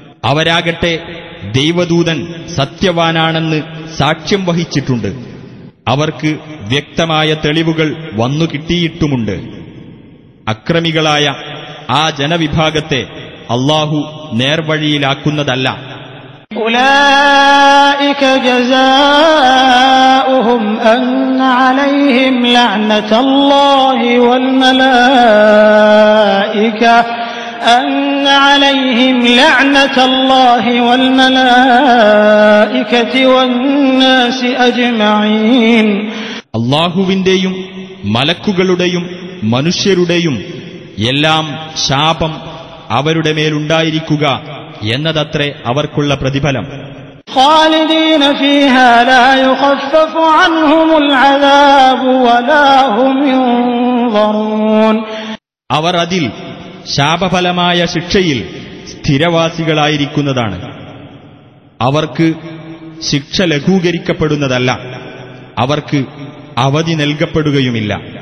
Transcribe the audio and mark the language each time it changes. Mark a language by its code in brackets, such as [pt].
[ml] അവരാകട്ടെ ദൈവദൂതൻ സത്യവാനാണെന്ന് സാക്ഷ്യം വഹിച്ചിട്ടുണ്ട്. അവർക്ക് വ്യക്തമായ തെളിവുകൾ വന്നുകിട്ടിയിട്ടുമുണ്ട്. അക്രമികളായ ആ ജനവിഭാഗത്തെ അല്ലാഹു നേർവഴിയിലാക്കുന്നതല്ല. [ar] أولئك جزاؤهم أن عليهم لعنة الله والملائكة والناس أجمعين. [ml] അള്ളാഹുവിന്റെയും മലക്കുകളുടെയും മനുഷ്യരുടെയും എല്ലാം ശാപം അവരുടെ മേലുണ്ടായിരിക്കുക എന്നതത്രേ അവർക്കുള്ള പ്രതിഫലം. [ar] خالدين فيها لا يخفف عنهم العذاب ولا هم ينظرون. [ml] അവർ അതിൽ ശാപഫലമായ ശിക്ഷയിൽ സ്ഥിരവാസികളായിരിക്കുന്നതാണ്. അവർക്ക് ശിക്ഷ ലഘൂകരിക്കപ്പെടുന്നതല്ല, അവർക്ക് അവധി നൽകപ്പെടുകയുമില്ല.